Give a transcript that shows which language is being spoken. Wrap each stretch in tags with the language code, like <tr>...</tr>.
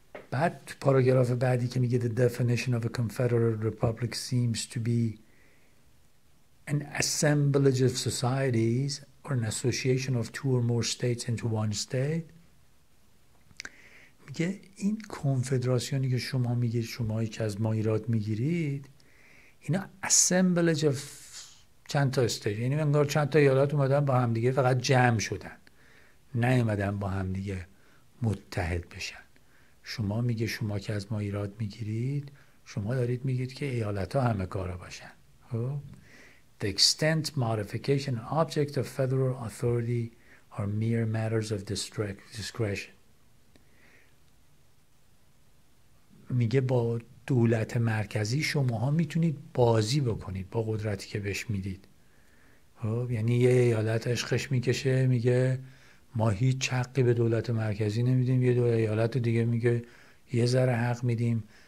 <fa>بعد تو پاراگراف بعدی که میگه</fa> <en>the definition of a confederate republic seems to be an assemblage of societies or an association of two or more states into one state،</en> <fa>میگه این کنفدراسیونی که شما میگید، شمایی که از ما ایراد میگیرید، اینا</fa> <en>assemblage of</en> <fa>چند تا استیت، یعنی انگار چند تا ایالات اومدن با هم دیگه فقط جمع شدن، نیومدن با هم دیگه متحد بشن. شما میگه شما که از ما ایراد میگیرید، شما دارید میگید که ایالت ها همه کارا باشن.</fa> <en>The extent, modification, and object of federal authority are mere matters of district discretion.</en> <fa>میگه با دولت مرکزی شما ها میتونید بازی بکنید، با قدرتی که بهش میدید. خب یعنی یه ایالت عشقش میکشه میگه ما هیچ حقی به دولت مرکزی نمیدیم، یه دو ایالت دیگه میگه یه ذره حق میدیم.</fa>